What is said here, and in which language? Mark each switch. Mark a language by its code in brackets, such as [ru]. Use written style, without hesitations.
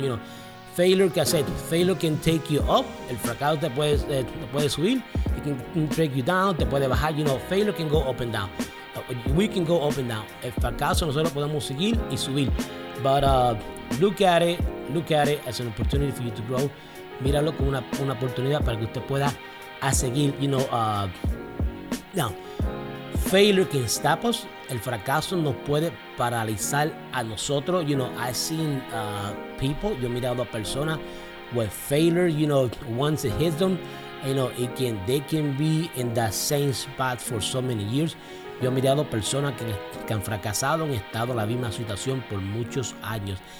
[en] You know, failure can say, failure can take you up. El fracaso te puede subir. It can take you down. Te puede bajar. You know, failure can go up and down. We can go up and down. El fracaso nosotros podemos seguir y subir. But look at it as an opportunity for you to grow. [es] Míralo como una oportunidad para que usted pueda a seguir. [en] You know, now, failure can stop us. [es] El fracaso nos puede paralizar a nosotros. [en] You know, I've seen people, yo he mirado a personas with failure, you know, once it hits them, you know, they can be in that same spot for so many years. [es] Yo he mirado personas que han fracasado, han estado en la misma situación por muchos años.